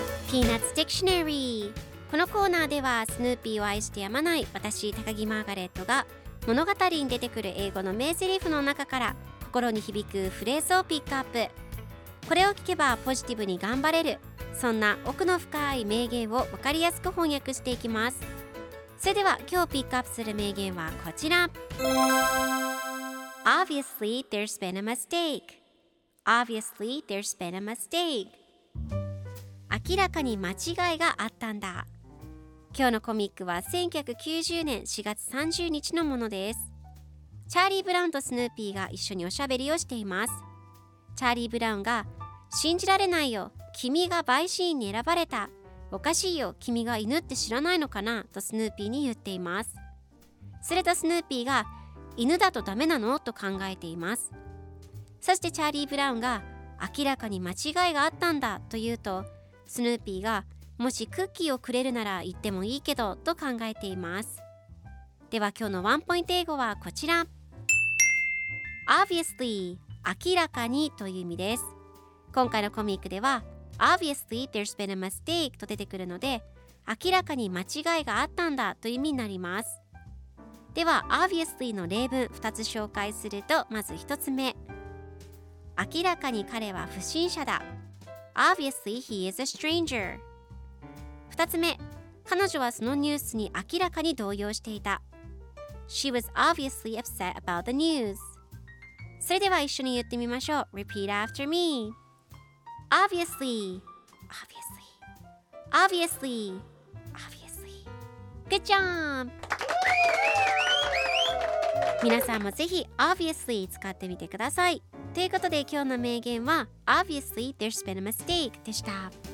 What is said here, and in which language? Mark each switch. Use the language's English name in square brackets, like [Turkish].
[Japanese] ピーナッツ・ディクショナリー。このコーナーではスヌーピーを愛してやまない私高木マーガレットが、物語に出てくる英語の名セリフの中から心に響くフレーズをピックアップ。これを聞けばポジティブに頑張れる、そんな奥の深い名言を分かりやすく翻訳していきます。それでは今日ピックアップする名言はこちら。 [English] Obviously there's been a mistake. Obviously there's been a mistake. [Japanese] 明らかに間違いがあったんだ。今日のコミックは1990年4月30日のものです。チャーリー・ブラウンとスヌーピーが一緒におしゃべりをしています。チャーリー・ブラウンが、信じられないよ、君が陪審員に選ばれた、おかしいよ、君が犬って知らないのかな、とスヌーピーに言っています。するとスヌーピーが、犬だとダメなの、と考えています。そしてチャーリー・ブラウンが、明らかに間違いがあったんだ、と言うとスヌーピーが、もしクッキーをくれるなら言ってもいいけど、と考えています。では今日のワンポイント英語はこちら。Obviously、 明らかにという意味です。今回のコミックでは [English] Obviously there's been a mistake [Japanese] と出てくるので、明らかに間違いがあったんだという意味になります。では Obviously の例文2つ紹介すると、まず1つ目、明らかに彼は不審者だ。 [English] Obviously he is a stranger。 [Japanese] 2つ目、彼女はそのニュースに明らかに動揺していた。 [English] She was obviously upset about the news。 [Japanese] それでは一緒に言ってみましょう。 [English] Repeat after me。 Obviously、 Obviously、 Obviously、 Obviously。 Good job。 [Japanese] 皆さんもぜひ Obviously 使ってみてください。ということで今日の名言は [English] Obviously there's been a mistake [Japanese] でした。